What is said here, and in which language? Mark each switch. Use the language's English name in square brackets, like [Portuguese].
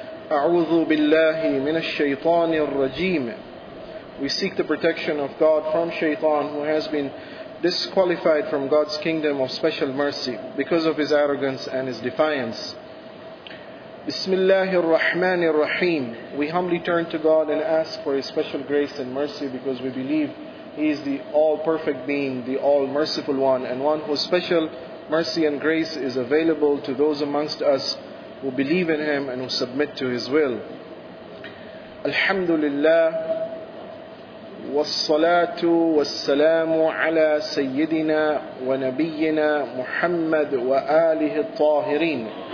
[Arabic] أعوذ بالله من الشيطان الرجيم. [English] We seek the protection of God from Shaitan, who has been disqualified from God's kingdom of special mercy because of his arrogance and his defiance. [Arabic] بسم الله الرحمن الرحيم. [English] We humbly turn to God and ask for his special grace and mercy because we believe he is the all-perfect being, the all-merciful one, and one whose special mercy and grace is available to those amongst us who believe in him and who submit to his will. [Arabic] Alhamdulillah. والصلاة والسلام على سيدنا ونبينا محمد وآله الطاهرين.